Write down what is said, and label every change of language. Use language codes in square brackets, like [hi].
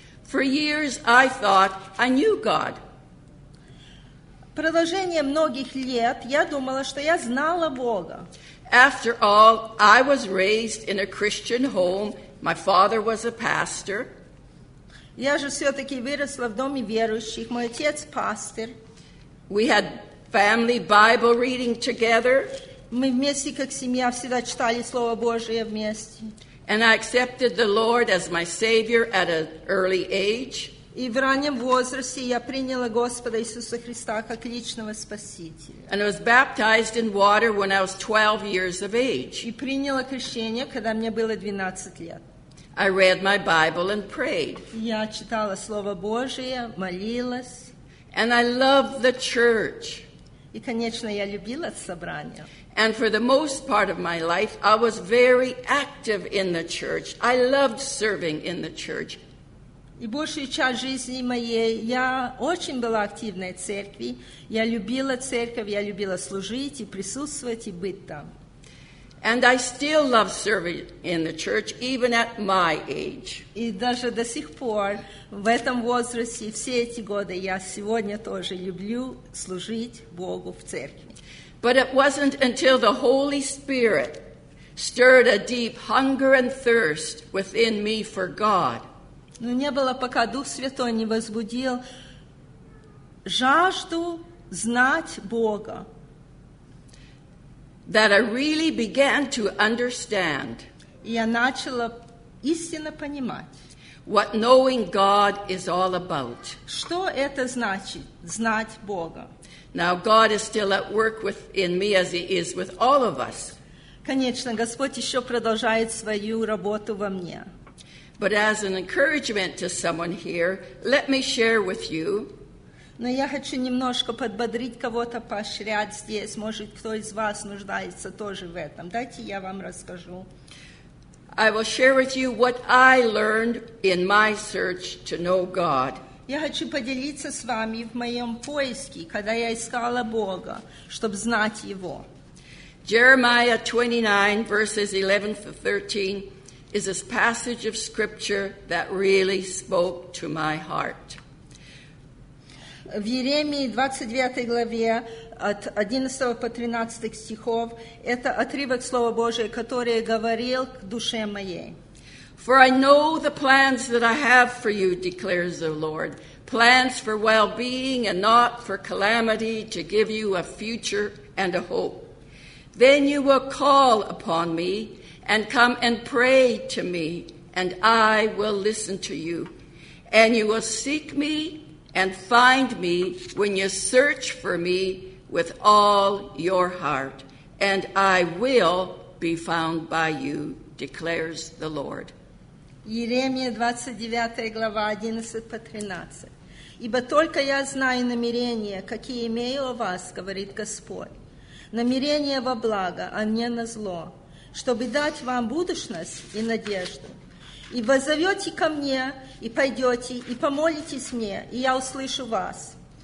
[en] For years I thought I knew God. [ru] Продолжение многих лет я думала, что я знала Бога. [en] After all, I was raised in a Christian home. My father was a pastor. [ru] Я же все-таки выросла в доме верующих. Мой отец пастор. [en] We had family Bible reading together. [ru] Мы вместе как семья всегда читали Слово Божие вместе. [en] And I accepted the Lord as my Savior at an early age. [ru] И в раннем возрасте я приняла Господа Иисуса Христа как личного спасителя. [en] And I was baptized in water when I was 12 years of age. [ru] И приняла крещение, когда мне было 12 лет. [en] I read my Bible and prayed. [ru] Я читала Слово Божие, молилась. [en] And I loved the church. [ru] И, конечно, я любила собрания. [en] And for the most part of my life, I was very active in the church. I loved serving in the church. [ru] И большую часть жизни моей я очень была активной церкви. Я любила церковь, я любила служить и присутствовать и быть там. [en] And I still love serving in the church, even at my age. [ru] И даже до сих пор в этом возрасте все эти годы я сегодня тоже люблю служить Богу в церкви. [en] But it wasn't until the Holy Spirit stirred a deep hunger and thirst within me for God. [ru] Но не было, пока Дух Святой не возбудил жажду знать Бога. [en] That I really began to understand. [ru] Я начала истинно понимать. [en] What knowing God is all about. [ru] Что это значит знать Бога? [en] Now God is still at work within me as He is with all of us. [ru] Конечно, Господь еще продолжает свою работу во мне. [en] But as an encouragement to someone here, let me share with you. [ru] Но я хочу немножко подбодрить кого-то, поощрять здесь. Может, кто из вас нуждается тоже в этом. Дайте я вам расскажу. [en] I will share with you what I learned in my search to know God. [ru] Я хочу поделиться с вами в моем поиске, когда я искала Бога, чтобы знать Его. [en] Jeremiah 29, verses 11 to 13 is this passage of scripture that really spoke to my heart. [ru] В Иеремии 29 главе от 11 по 13 стихов это отрывок Слова Божия, который говорил к душе моей. [en] For I know the plans that I have for you, declares the Lord, plans for well-being and not for calamity, to give you a future and a hope. Then you will call upon me and come and pray to me, and I will listen to you. And you will seek me and find me when you search for me with all your heart, and I will be found by you, declares the Lord. [ru] Иеремия 29 глава 11 по 13. «Ибо только я знаю намерения, какие имею о вас, говорит Господь, намерения во благо, а не на зло, чтобы дать вам будущность и надежду. И воззовете ко мне, и пойдете, и помолитесь мне, и я услышу вас.